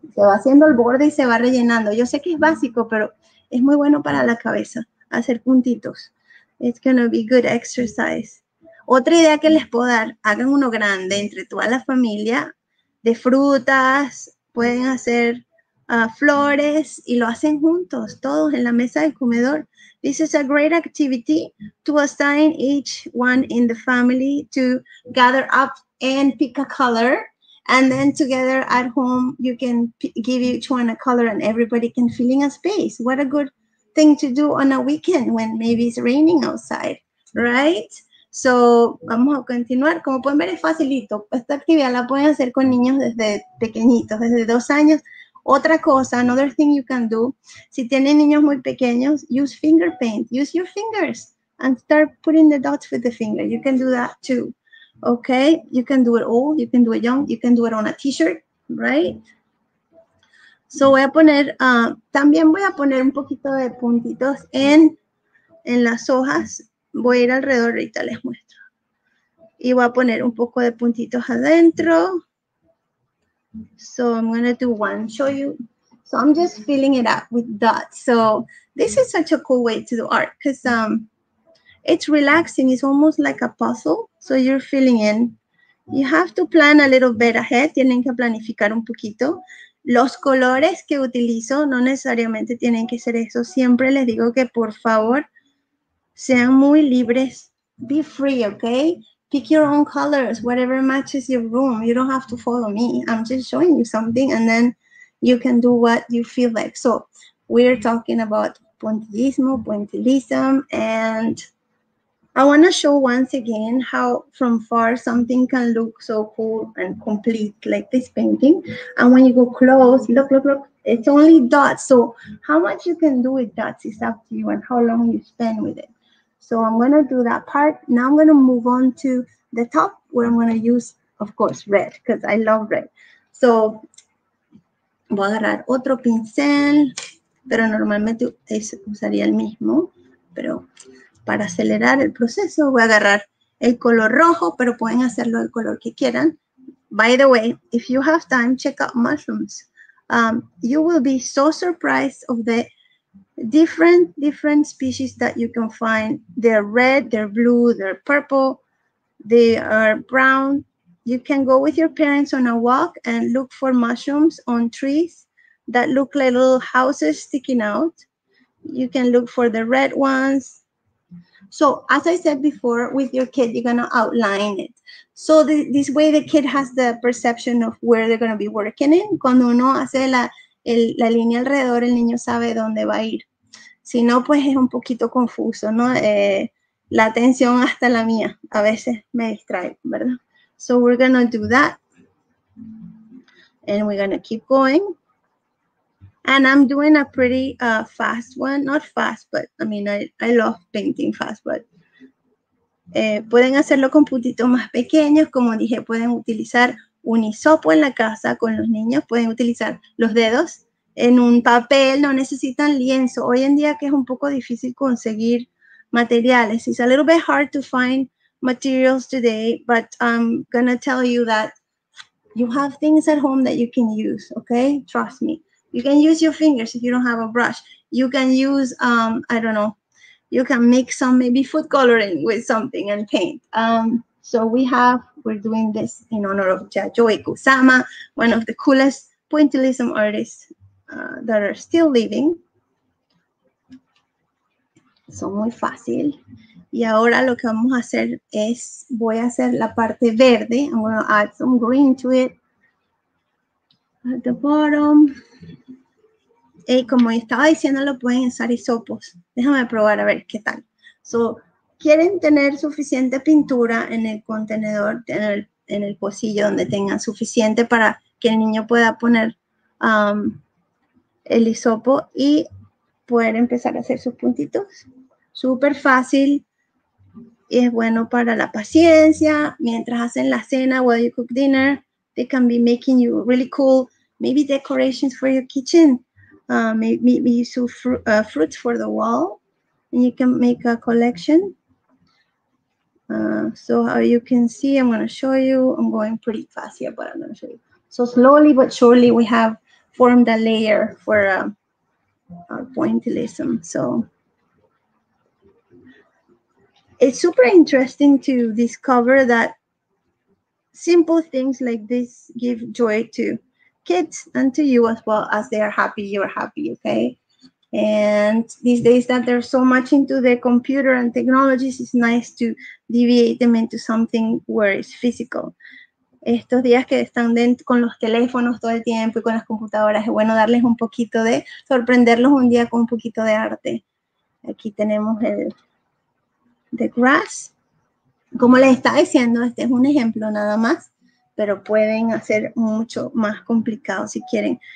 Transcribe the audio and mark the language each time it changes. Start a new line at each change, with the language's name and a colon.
Spanish: Se va haciendo el borde y se va rellenando. Yo sé que es básico, pero es muy bueno para la cabeza, hacer puntitos.
English: It's going to be good exercise.
Spanish: Otra idea que les puedo dar, hagan uno grande entre toda la familia, de frutas, pueden hacer flores y lo hacen juntos, todos en la mesa del comedor.
English: This is a great activity to assign each one in the family to gather up and pick a color. And then together at home, you can give each one a color and everybody can fill in a space. What a good thing to do on a weekend when maybe it's raining outside, right?
Spanish: So, vamos a continuar. Como pueden ver, es facilito. Esta actividad la pueden hacer con niños desde pequeñitos, desde 2 años. Otra cosa,
English: another thing you can do,
Spanish: si tienen niños muy pequeños,
English: use finger paint. Use your fingers and start putting the dots with the finger. You can do that too, okay? You can do it old, you can do it young, you can do it on a t-shirt, right?
Spanish: So, voy a poner, también voy a poner un poquito de puntitos en las hojas. Voy a ir alrededor, ahorita les muestro. Y voy a poner un poco de puntitos adentro.
English: So I'm going to do one, show you. So I'm just filling it up with dots. So this is such a cool way to do art because it's relaxing. It's almost like a puzzle. So you're filling in. You have to plan a little bit ahead.
Spanish: Tienen que planificar un poquito. Los colores que utilizo no necesariamente tienen que ser eso. Siempre les digo que por favor, sean muy libres.
English: Be free, okay? Pick your own colors, whatever matches your room. You don't have to follow me. I'm just showing you something and then you can do what you feel like. So we're talking about puntillismo, and I want to show once again how from far something can look so cool and complete like this painting. And when you go close, look, look, look. It's only dots. So how much you can do with dots is up to you and how long you spend with it. So I'm going to do that part. Now I'm going to move on to the top where I'm going to use, of course, red because I love red.
Spanish: So voy a agarrar otro pincel, pero normalmente usaría el mismo. Pero para acelerar el proceso voy a agarrar el color rojo, pero pueden hacerlo el color que quieran.
English: By the way, if you have time, check out mushrooms. You will be so surprised of the different species that you can find. They're red, they're blue, they're purple, they are brown. You can go with your parents on a walk and look for mushrooms on trees that look like little houses sticking out. You can look for the red ones. So as I said before, with your kid, you're going to outline it. So this way the kid has the perception of where they're going to be working in.
Spanish: Cuando uno hace la línea alrededor, el niño sabe dónde va a ir. Si no, pues es un poquito confuso, ¿no? La atención hasta la mía a veces me distrae, ¿verdad?
English: So we're gonna do that. And we're gonna keep going. And I'm doing a pretty fast one. Not fast, but I mean, I love painting fast, but
Spanish: pueden hacerlo con puntitos más pequeños. Como dije, pueden utilizar un hisopo en la casa con los niños, pueden utilizar los dedos en un papel, no necesitan lienzo. Hoy en día que es un poco difícil conseguir materiales.
English: It's a little bit hard to find materials today, but I'm going to tell you that you have things at home that you can use, okay? Trust me. You can use your fingers if you don't have a brush. You can use, I don't know, you can make some maybe food coloring with something and paint. We're doing this in honor of Jajoi Kusama, one of the coolest pointillism artists that are still living.
Spanish: So muy fácil. Y ahora lo que vamos a hacer es, voy a hacer la parte verde.
English: I'm going to add some green to it at the bottom.
Spanish: Y como estaba diciendo, lo pueden usar hisopos. Déjame probar a ver qué tal. So, quieren tener suficiente pintura en el contenedor, en el pocillo donde tengan suficiente para que el niño pueda poner el hisopo y poder empezar a hacer sus puntitos. Súper fácil. Y es bueno para la paciencia. Mientras hacen la cena,
English: while you cook dinner, they can be making you really cool, maybe decorations for your kitchen. Maybe some fruits for the wall. And you can make a collection. You can see, I'm going to show you. I'm going pretty fast here, but I'm going to show you. So slowly but surely, we have formed a layer for our pointillism. So it's super interesting to discover that simple things like this give joy to kids and to you as well. As they are happy, you are happy, okay? And these days that they're so much into the computer and technologies, it's nice to deviate them into something where it's physical.
Spanish: Estos días que están dentro con los teléfonos todo el tiempo y con las computadoras, es bueno darles un poquito de, sorprenderlos un día con un poquito de arte. Aquí tenemos el
English: the grass.
Spanish: Como les estaba diciendo, este es un ejemplo nada más, pero pueden hacer mucho más complicado si quieren.